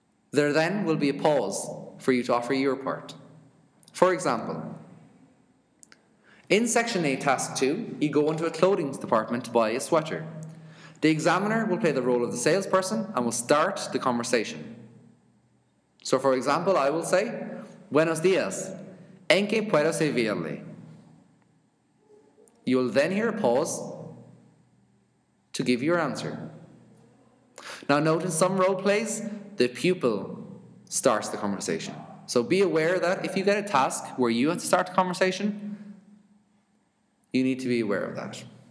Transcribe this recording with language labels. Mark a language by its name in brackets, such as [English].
[English] There then will be a pause for you to offer your part. For example, in Section A, Task 2, you go into a clothing department to buy a sweater. The examiner will play the role of the salesperson and will start the conversation. So, for example, I will say, [Spanish] Buenos dias, ¿en qué puedo servirle? [English] You will then hear a pause to give your answer. Now, note in some role plays, the pupil starts the conversation. So be aware that if you get a task where you have to start the conversation, you need to be aware of that.